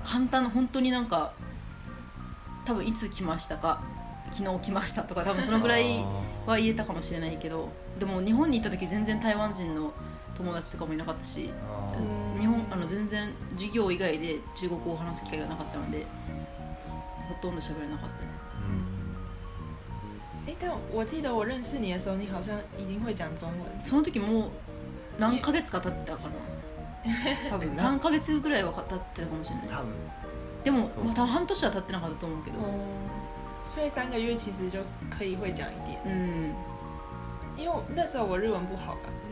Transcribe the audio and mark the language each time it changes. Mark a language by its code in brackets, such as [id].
[ja] 簡単な、本当になんか多分いつ来ましたか、昨日来ましたとか、多分そのぐらいは言えたかもしれないけど、でも日本に行った時全然台湾人の友達とかもいなかったし、日本あの全然授業以外で中国語を話す機会がなかったので、ほとんど喋れなかったです。 [zh] 但我记得我认识你的时候，你好像已经会讲中文。 [ja] その時もう何ヶ月か経ってたかな。多分3ヶ月ぐらいは経ってたかもしれない。多分。でもまあ多分半年は経ってなかったと思うけど。 [zh] 所以三个月其实就可以会讲一点。因为那时候我日文不好吧，